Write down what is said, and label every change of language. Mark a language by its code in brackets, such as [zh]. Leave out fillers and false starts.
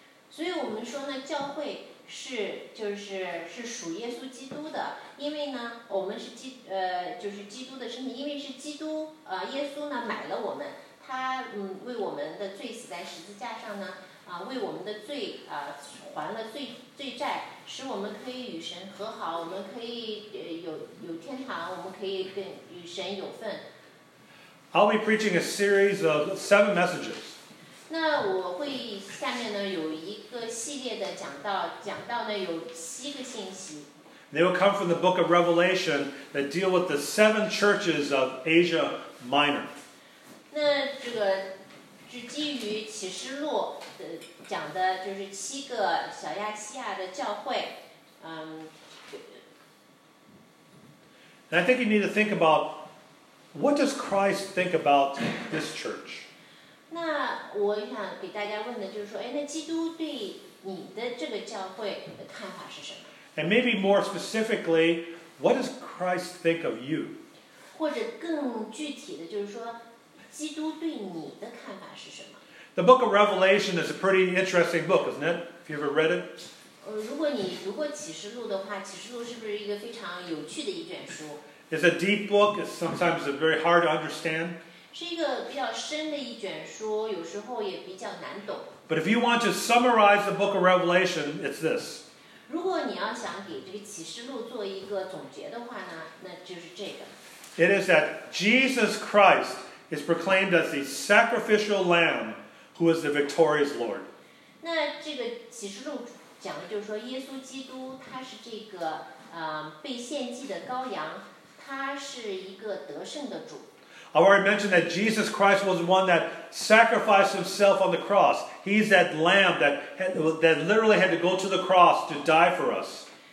[zh] 所以我们说呢，教会是就是是属耶稣基督的，因为呢，我们是基就是基督的身体，因为是基督耶稣呢买了我们，他为我们的罪死在十字架上呢。为我们的罪还了罪债，使我们可以与神和好，我们可以有天堂，我们可以跟与神有份。 [en] I'll be preaching a series of 7 messages. [zh] 那我会下面呢有一个系列的讲道呢有七个信息。 [en] They will come from the book of Revelation that deal with the 7 churches of Asia Minor. [zh] 那这个。是基于启示录的讲的，就是七个小亚细亚的教会。 [en] And I think you need to think about, what does Christ think about this church? [zh] 那我想给大家问的就是说，哎，那基督对你的这个教会的看法是什么？ [en] And maybe more specifically, what does Christ think of you? [zh] 或者更具体的就是说，基督对你的看法是什么？ [en] The book of Revelation is a pretty interesting book, isn't it? Have you ever read it? [zh] 如果启示录的话，启示录是不是一个非常有趣的一卷书？ [en] It's a deep book, it's sometimes very hard to understand. [zh] 是一个比较深的一卷书，有时候也比较难懂。 [en] But if you want to summarize the book of Revelation, it's this. [zh] 如果你要想给这个启示录做一个总结的话呢，那就是这个。 [en] It is that Jesus Christ is proclaimed as the sacrificial lamb who is the victorious Lord. [zh] 那这个启示录讲的就是说耶稣基督他是这个被献祭的羔羊。 [en] I've already mentioned that Jesus Christ was the one that sacrificed himself on the cross. He's that lamb that literally had to go to the cross to die for us.